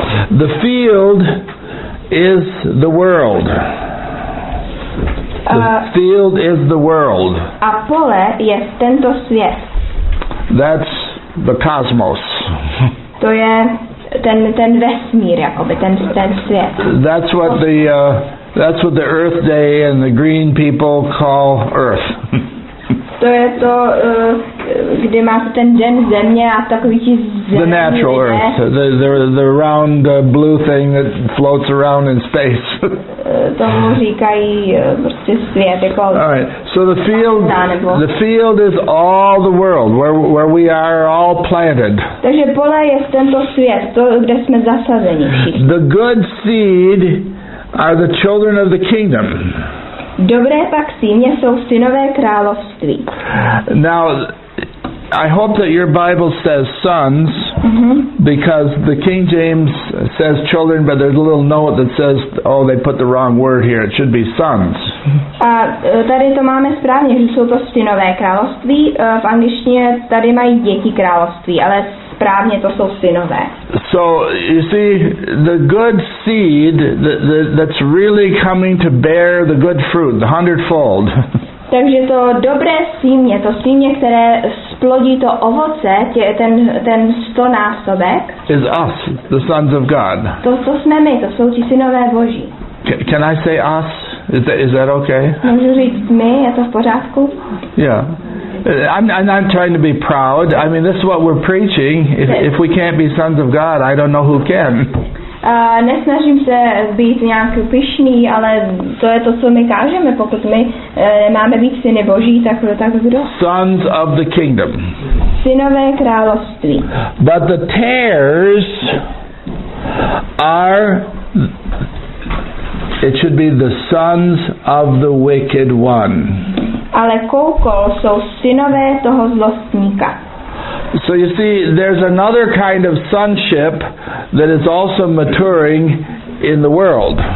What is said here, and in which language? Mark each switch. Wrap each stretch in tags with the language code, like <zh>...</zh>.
<en>The field is the world. The field is the world.</en> <cs>A pole je tento svět.</cs> <en>That's the cosmos.</en> <cs>To je ten vesmír, jakoby, ten svět.</cs> <en>That's what the... That's what the Earth Day and the green people call Earth.</en> <cs>To je to, kde máte ten den země a takový ti země.</cs> <en>The natural Earth, the round blue thing that floats around in space.</en> <cs>Tomu říkají prostě svět, jako.</cs> <en>All right. So the field is all the world where we are all planted.</en> <cs>Takže pole je tento svět, to kde jsme zasazeni.</cs> <en>The good seed are the children of the kingdom.</en> <cs>Dobré pak sýně jsou synové království.</cs> <en>Now, I hope that your Bible says sons, because the King James says children, but there's a little note that says, oh, they put the wrong word here. It should be sons.</en> <cs>A tady to máme správně, že jsou to synové království. V angličtině tady mají děti království, ale správně to jsou synové.</cs> <en>So, you see, the good seed that's really coming to bear the good fruit, the hundredfold.</en> <cs>Takže to dobré sýmě, to sýmě, které splodí to ovoce, ten stonásobek,</cs> <en>is us, the sons of God.</en> <cs>To jsme my, to jsou ti synové Boží.</cs> <en>Can I say us? Is that okay?</en> <cs>Můžu říct my, je to v pořádku?</cs> <en>Yeah. I'm not trying to be proud. I mean, this is what we're preaching. If we can't be sons of God, I don't know who can.</en> <cs>Nesnažím se být nějak pyšný, ale to je to, co my kážeme. Pokud my máme být syny Boží, tak kdo?</cs> <en>Sons of the kingdom.</en> <cs>Synové království.</cs> <en>But the tares are... It should be the sons of the wicked one.</en> <cs>Ale koukol jsou synové toho zlostníka.</cs> <en>So you see, there's another kind of sonship that is also maturing in the world.</en>